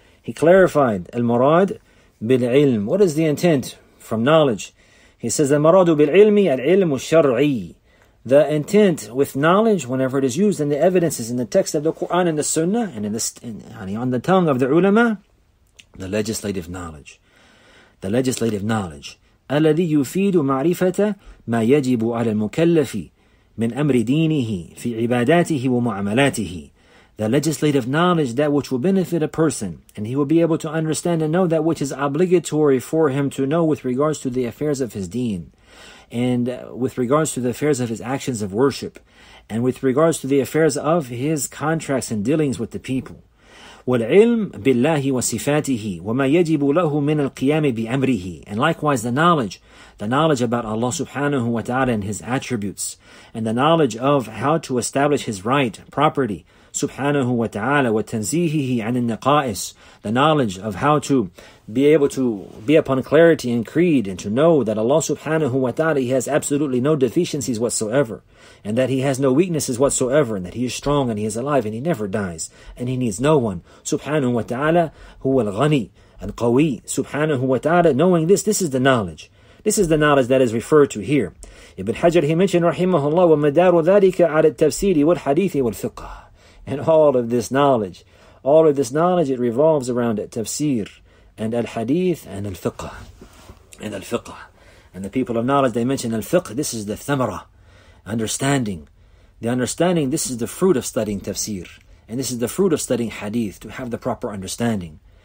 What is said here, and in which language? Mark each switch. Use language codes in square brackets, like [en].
[en] He clarified al-murad bil-ilm. What is the intent from knowledge? He says, [ar] al-muradu bil-ilmi al-ilmu shar'i. [en] The intent with knowledge, whenever it is used, and the evidence is in the text of the Quran and the sunnah, and on the tongue of the ulama, the legislative knowledge. The legislative knowledge. [ar] الذي يفيد معرفة ما يجب على المكلف من أمر دينه في عباداته ومعاملاته. [en] The legislative knowledge, that which will benefit a person, and he will be able to understand and know that which is obligatory for him to know with regards to the affairs of his deen, and with regards to the affairs of his actions of worship, and with regards to the affairs of his contracts and dealings with the people. [ar] والعلم بالله وصفاته وما يجب له من القيام بأمره. [en] And likewise the knowledge about Allah subhanahu wa ta'ala and His attributes, and the knowledge of how to establish His right property subhanahu wa ta'ala, [ar] وتنزيهه عن النقائص, [en] the knowledge of how to be able to be upon clarity and creed, and to know that Allah subhanahu wa ta'ala, He has absolutely no deficiencies whatsoever, and that He has no weaknesses whatsoever, and that He is strong and He is alive and He never dies, and He needs no one. Subhanahu wa ta'ala, [ar] هو الغني القوي. [en] Subhanahu wa ta'ala, knowing this is the knowledge. This is the knowledge that is referred to here. Ibn Hajar, he mentioned, rahimahullah, [ar] وَمَدَارُ ذَلِكَ عَلَى التَّفْسِيرِ وَالْحَدِيثِ وَالْفِقْهِ. [en] And all of this knowledge, it revolves around tafsir and al-hadith and al-fiqh. And al-fiqh. And the people of knowledge, they mention al-fiqh, this is the thamara, understanding. The understanding, this is the fruit of studying tafsir. And this is the fruit of studying hadith, to have the proper understanding.